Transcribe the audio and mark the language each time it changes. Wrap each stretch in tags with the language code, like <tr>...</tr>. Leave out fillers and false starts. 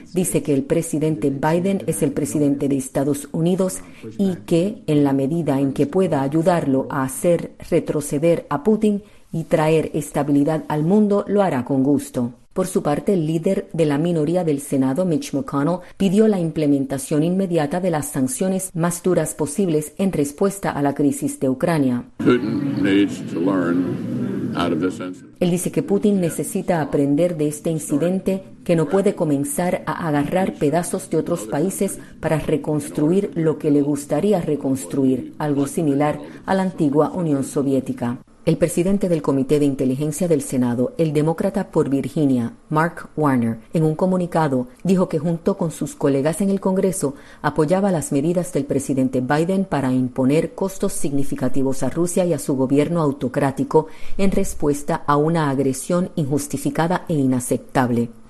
<es>Dice que el presidente Biden es el presidente de Estados Unidos y que, en la medida en que pueda ayudarlo a hacer retroceder a Putin y traer estabilidad al mundo, lo hará con gusto. Por su parte, el líder de la minoría del Senado, Mitch McConnell, pidió la implementación inmediata de las sanciones más duras posibles en respuesta a la crisis de Ucrania.</es> <en>Putin needs to learn out of this incident.</en> <es>Él dice que Putin necesita aprender de este incidente, que no puede comenzar a agarrar pedazos de otros países para reconstruir lo que le gustaría reconstruir, algo similar a la antigua Unión Soviética. El presidente del Comité de Inteligencia del Senado, el demócrata por Virginia, Mark Warner, en un comunicado dijo que junto con sus colegas en el Congreso apoyaba las medidas del presidente Biden para imponer costos significativos a Rusia y a su gobierno autocrático en respuesta a una agresión injustificada e inaceptable.</es>